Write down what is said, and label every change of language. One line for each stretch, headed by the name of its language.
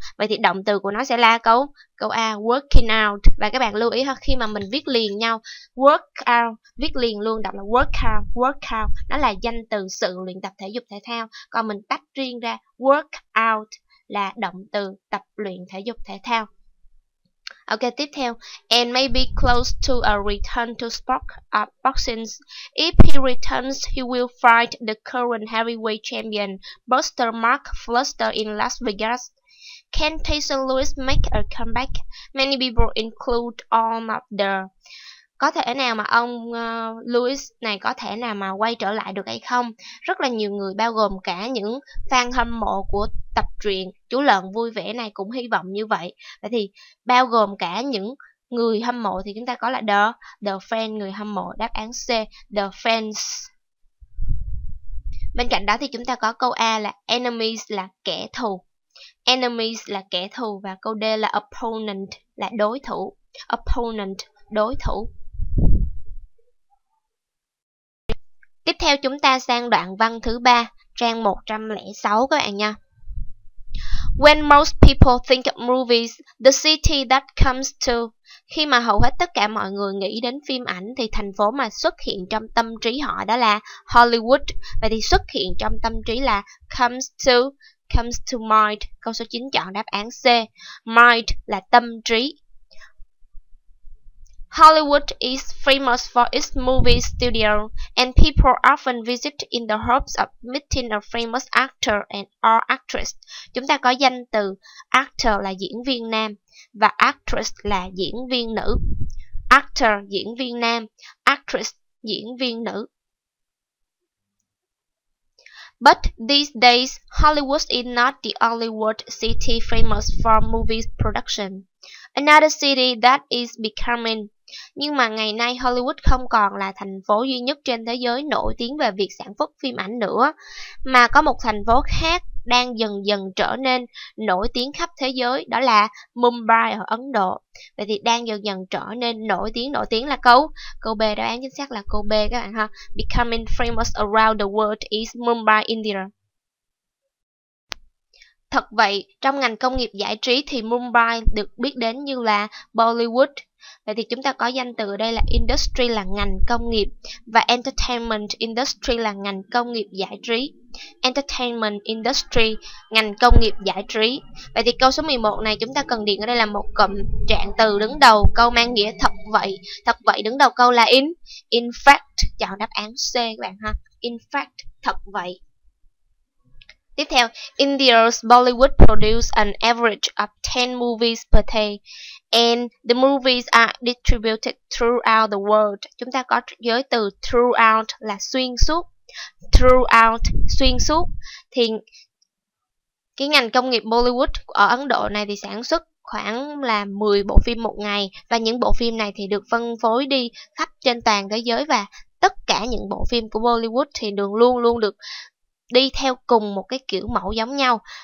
Vietnamese: Vậy thì động từ của nó sẽ là câu A,
English: working out.
Vietnamese: Và các bạn lưu ý ha, khi mà mình viết liền nhau, workout, viết liền luôn, đọc là workout, workout. Nó là danh từ sự luyện tập thể dục thể thao. Còn mình tách riêng ra, workout là động từ tập luyện thể dục thể thao. Ok, tiếp theo.
English: And may be close to a return to sport boxing. If he returns, he will fight the current heavyweight champion, Buster Mark Fluster in Las Vegas. Can Tyson Lewis make a comeback? Many people include all of the...
Vietnamese: Có thể nào mà ông Lewis này có thể nào mà quay trở lại được hay không? Rất là nhiều người bao gồm cả những fan hâm mộ của tập truyện Chú Lợn Vui Vẻ này cũng hy vọng như vậy. Vậy thì bao gồm cả những người hâm mộ thì chúng ta có là the fan, người hâm mộ, đáp án C, the fans. Bên cạnh đó thì chúng ta có câu A là enemies là kẻ thù. Enemies là kẻ thù và câu D là opponent là đối thủ. Opponent, đối thủ. Tiếp theo chúng ta sang đoạn văn thứ 3, trang 106 các bạn nha.
English: When most people think of movies, the city that comes to.
Vietnamese: Khi mà hầu hết tất cả mọi người nghĩ đến phim ảnh thì thành phố mà xuất hiện trong tâm trí họ đó là Hollywood. Vậy thì xuất hiện trong tâm trí là
English: comes to mind.
Vietnamese: Câu số 9 chọn đáp án C. Mind là tâm trí.
English: Hollywood is famous for its movie studio, and people often visit in the hopes of meeting a famous actor and or actress.
Vietnamese: Chúng ta có danh từ actor là diễn viên nam và actress là diễn viên nữ. Actor diễn viên nam, actress diễn viên nữ.
English: But these days, Hollywood is not the only world city famous for movie production. Another city that is becoming.
Vietnamese: Nhưng mà ngày nay Hollywood không còn là thành phố duy nhất trên thế giới nổi tiếng về việc sản xuất phim ảnh nữa, mà có một thành phố khác đang dần dần trở nên nổi tiếng khắp thế giới, đó là Mumbai ở Ấn Độ. Vậy thì đang dần dần trở nên nổi tiếng là câu B, đáp án chính xác là câu B các bạn ha.
English: Becoming famous around the world is Mumbai, India.
Vietnamese: Thật vậy, trong ngành công nghiệp giải trí thì Mumbai được biết đến như là Bollywood. Vậy thì chúng ta có danh từ đây là industry là ngành công nghiệp và
English: entertainment industry
Vietnamese: là ngành công nghiệp giải trí.
English: Entertainment industry,
Vietnamese: ngành công nghiệp giải trí. Vậy thì câu số 11 này chúng ta cần điền ở đây là một cụm trạng từ đứng đầu câu mang nghĩa thật vậy. Thật vậy đứng đầu câu là
English: in fact,
Vietnamese: chọn đáp án C các bạn ha.
English: In fact,
Vietnamese: thật vậy. Tiếp theo,
English: India's Bollywood produce an average of 10 movies per day, and the movies are distributed throughout the world.
Vietnamese: Chúng ta có giới từ throughout là xuyên suốt. Throughout, xuyên suốt. Thì cái ngành công nghiệp Bollywood ở Ấn Độ này thì sản xuất khoảng là 10 bộ phim một ngày, và những bộ phim này thì được phân phối đi khắp trên toàn thế giới, và tất cả những bộ phim của Bollywood thì đường luôn luôn được đi theo cùng một cái kiểu mẫu giống nhau.